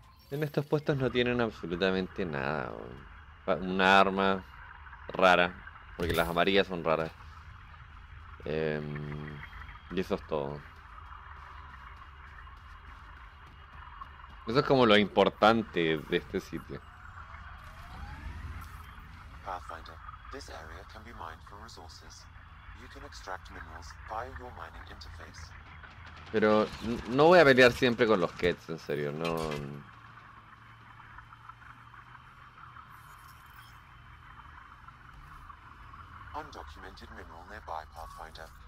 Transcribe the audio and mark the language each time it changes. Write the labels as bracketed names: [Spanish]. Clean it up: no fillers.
[Spanish] En estos puestos no tienen absolutamente nada. Una arma rara, porque las amarillas son raras. Y eso es todo. Eso es como lo importante de este sitio. [English] Pathfinder, this area can be mined for resources. You can extract minerals via your mining interface. [Spanish] Pero no voy a pelear siempre con los Kets, en serio, no. [English] Undocumented mineral nearby, Pathfinder.